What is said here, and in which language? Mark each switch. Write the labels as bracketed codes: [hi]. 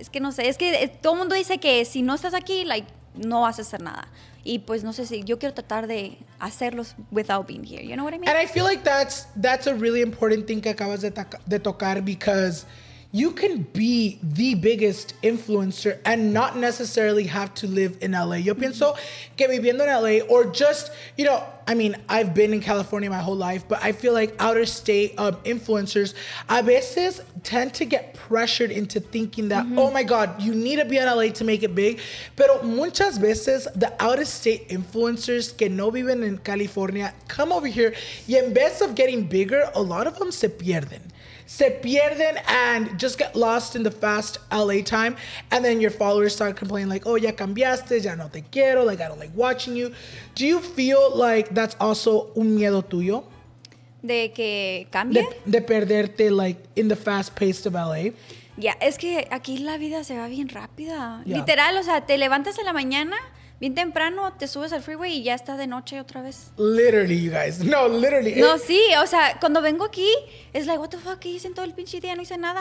[es] Es que no sé, es que todo el mundo dice que si no estás aquí, like, no vas a hacer nada. Y pues no sé si yo quiero tratar de hacerlos [en] without being here. You know what I mean? And I feel like that's a really important thing [es] que acabas de tocar, [en] because you can be the biggest influencer and not necessarily have to live in LA. [es] Yo pienso que viviendo en LA, [en] or just, you know, I mean, I've been in California my whole life, but I feel like outer state influencers [es] a veces [en] tend to get pressured into thinking that, mm-hmm. oh my God, you need to be in LA to make it big. [es] Pero muchas veces [en] the outer state influencers [es] que no viven [en] in California come over here, [es] y en vez [en] of getting bigger, a lot of them [es] se pierden [en] and just get lost in the fast LA time, and then your followers start complaining like, [es] oh, ya cambiaste, ya no te quiero, [en] like, I don't like watching you. Do you feel like that's also [es] un miedo tuyo? ¿De que cambie? De perderte, [en] like, in the fast pace of LA. [es] Yeah, es que aquí la vida se va bien rápida. Yeah. Literal, o sea, te levantas en la mañana, bien temprano, te subes al freeway y ya está de noche otra vez. [en] Literally, you guys. No, literally. [es] No, sí. O sea, cuando vengo aquí, es like, [en] what the fuck, [es] ¿qué hice en todo el pinche día? No hice nada.